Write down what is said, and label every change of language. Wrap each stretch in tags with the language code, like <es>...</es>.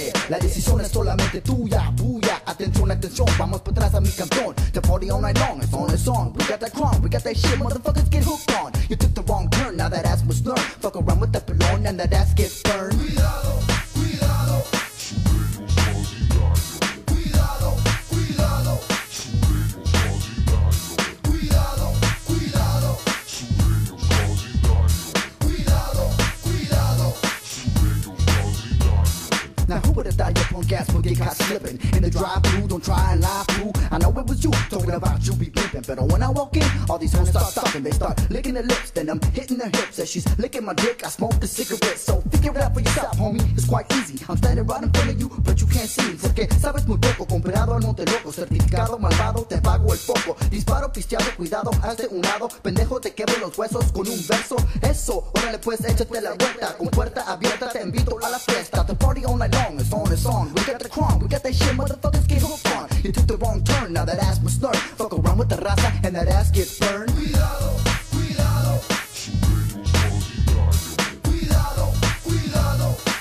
<es>La decisión es solamente tuya, puya. Atención, atención, vamos por atrás a mi campeón.</es> <en>The party all night long, it's on and on. We got that crown, we got that shit, motherfuckers get hooked on. You took the wrong turn, now that ass must learn. Fuck around with the pilon and that ass gets burned.</en> <es>Cuidado, cuidado. Cuidado, cuidado. Cuidado, cuidado. Cuidado, cuidado.</es> <en>Now who would have thought your punk ass would get caught slipping in the drive-thru, don't try and lie, fool. I know it was you, talking about you be pimping. But when I walk in, all these hoes start stopping. They start licking their lips, then I'm hitting their hips. As she's licking my dick, I smoke the cigarette. So figure it out for yourself, homie, it's quite easy. I'm standing right in front of you, but you can't see me.</en> <es>Porque sabes muy poco, comprado al Montelongo. Certificado malvado, te pago el foco. Disparo, pisteado, cuidado, hazte un lado. Pendejo, te quebro los huesos con un verso. Eso, órale pues, échate la vuelta. Con puerta abierta, te invito a la fiesta.</es> <en>The party all night long, it's on, it's on. We got the crown, we got that shit, motherfuckers get hooked on. You took the wrong turn, now that ass must learn. Fuck around with the raza, and that ass gets burned.</en> <es>Cuidado, cuidado. Cuidado, cuidado.</es>